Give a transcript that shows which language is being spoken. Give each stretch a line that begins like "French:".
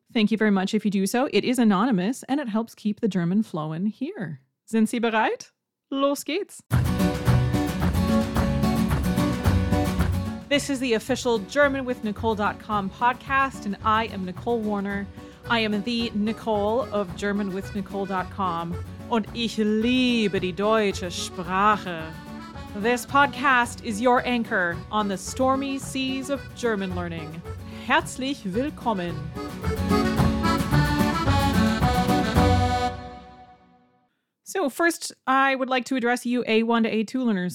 English: Thank you very much if you do so. It is anonymous and it helps keep the German flowing here.
German: Sind Sie bereit? Los geht's!
English: This is the official GermanWithNicole.com podcast and I am Nicole Warner. I am the Nicole of GermanWithNicole.com
German: und ich liebe die deutsche Sprache.
English: This podcast is your anchor on the stormy seas of German learning.
German: Herzlich willkommen!
English: So first, I would like to address you A1 to A2 learners.